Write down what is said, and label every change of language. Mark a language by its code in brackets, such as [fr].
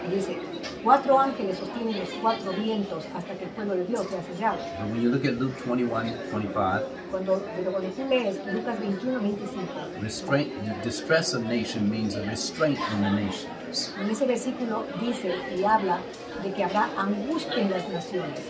[es] Dice, cuatro ángeles sostienen los cuatro vientos hasta que el pueblo de Dios sea sellado. [en] And when you look at Luke 21:25, [es] cuando tú lees Lucas 21:25, [en] restraint, the distress of nation means a restraint in the nations. [es] En ese versículo dice y habla de que habrá angustia en las naciones.